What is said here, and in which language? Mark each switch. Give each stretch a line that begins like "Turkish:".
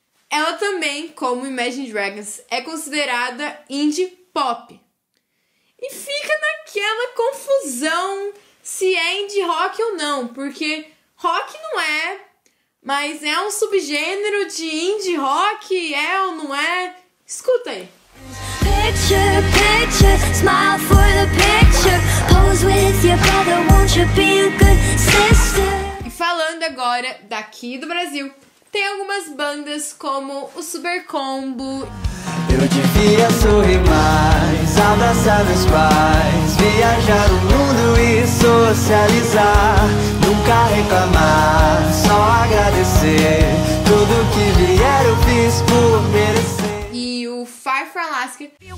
Portuguese: Ela também, como Imagine Dragons, é considerada indie pop. E fica naquela confusão se é indie rock ou não, porque rock não é, mas é um subgênero de indie rock, é ou não é? Escuta aí.
English: Picture, picture, smile for the picture, pose with your brother, won't you be a good sister?
Portuguese: E falando agora daqui do Brasil, tem algumas bandas como o Super Combo. Eu devia sorrir mais, abraçar meus pais, viajar o mundo e socializar. Nunca reclamar, só agradecer, tudo que vier eu fiz por merecer. Fire for Alaska.